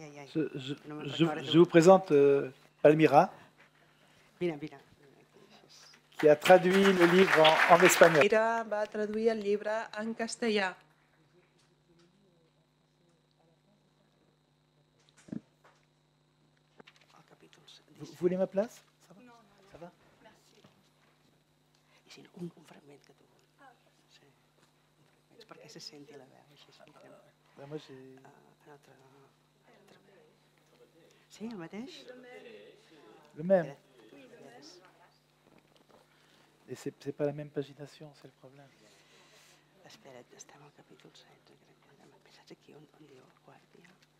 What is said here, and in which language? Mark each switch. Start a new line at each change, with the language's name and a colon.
French: Je vous présente Palmira, qui a traduit le livre en espagnol.
Catalan: Palmira va traduir el llibre en castellà.
French: Vous voulez ma place? Ça va? Ça va? Merci. C'est un fragment que tu veux. C'est parce que
Catalan: se sent la veu.
French: Moi, j'ai...
Catalan: Sí, el mateix.
French: Le même. Et c'est pas la même pagination, c'est le problème.
Catalan: Espera't, estem al capítol 16, crec que hem pensat aquí on diu el guàrdia.